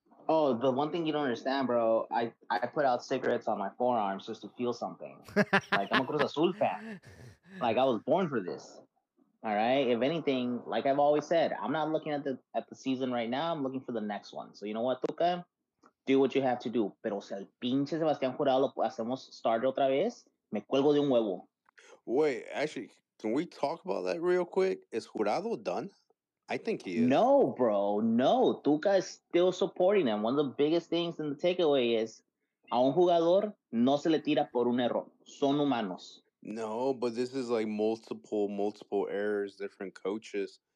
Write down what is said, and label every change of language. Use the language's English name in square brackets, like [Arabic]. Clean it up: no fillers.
[English] Oh, the one thing you don't understand, bro, I put out cigarettes on my forearms just to feel something. Like, I'm a Cruz Azul fan. Like, I was born for this. All right? If anything, like I've always said, I'm not looking at the season right now. I'm looking for the next one. So you know what, Tuca? Do what you have to do. [Spanish] Pero si el pinche Sebastián Jurado lo hacemos starter otra vez, me cuelgo de un huevo. [English] Wait, actually, can we talk about that real quick? Is Jurado done? I think he is. No, bro. No. Tuca is still supporting him. One of the biggest things in the takeaway is [Spanish] a un jugador no se le tira por un error. Son humanos. [English] No, but this is like multiple errors, different coaches.